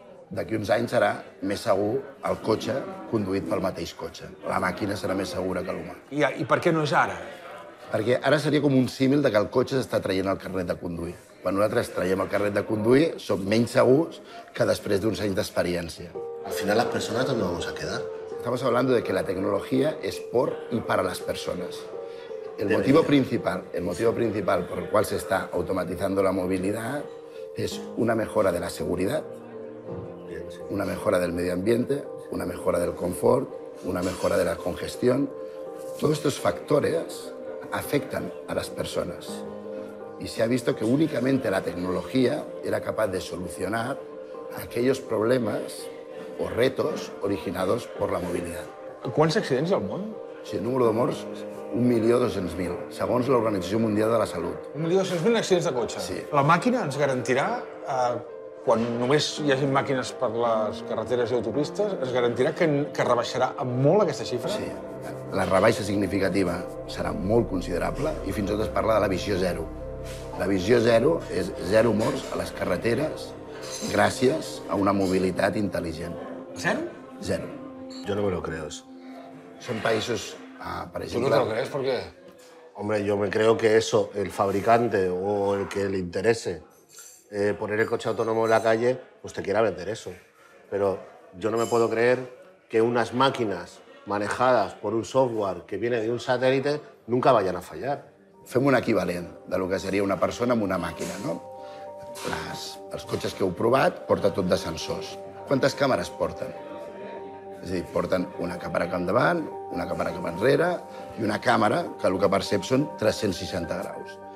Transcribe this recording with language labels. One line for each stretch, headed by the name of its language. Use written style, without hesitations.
Catalan: D'aquí uns anys serà més segur el cotxe conduït pel mateix cotxe. La màquina serà més segura que l'humà. I per què no és ara? Perquè ara seria com un símil que el cotxe s'està traient el carnet de conduir. Quan nosaltres traiem el carnet de conduir, som menys segurs que després d'uns anys d'experiència.
Spanish: Al final,
Catalan: les persones
Spanish: també vamos a quedar. Estamos hablando de que la tecnología es por y para las personas. El motivo principal por el cual se está automatizando la movilidad es una mejora de la seguridad, una mejora del medio ambiente, una mejora del confort, una mejora de la congestión. Todos estos factores afectan a las personas. y se ha visto que únicamente la tecnología era capaz de solucionar aquellos problemas o retos originados por la movilidad. ¿Cuántos accidentes
Catalan: al món? Sí, el número de morts, 1.200.000, segons l'Organització Mundial de la Salut. 1.200.000 accidents de cotxe? Sí. La màquina ens garantirà, quan només hi hagi màquines per les carreteres i autopistes, ens garantirà que rebaixarà molt aquesta xifra? Sí. La rebaixa significativa serà molt considerable i fins i tot es parla de la visió zero. La visió zero és zero morts a les carreteres gràcies a una mobilitat intel·ligent. Zero? Zero. Jo no
Spanish: me lo creo.
Catalan: Són països, per exemple...
Spanish: Tu no te lo crees, ¿por qué? Hombre, yo me creo que eso, el fabricante o el que le interese poner el coche autónomo en la calle, pues te quiera vender eso. Pero yo no me puedo creer que unas máquinas manejadas por un software que viene de un satélite nunca vayan a fallar.
Catalan: Fem un equivalent
Spanish: de lo que
Catalan: seria una persona amb una màquina, no? Els cotxes que heu provat porta tot de sensors. Quantes càmeres porten? És a dir, porten una càmera cap endavant, una càmera cap enrere i una càmera que el que percep són 360 graus.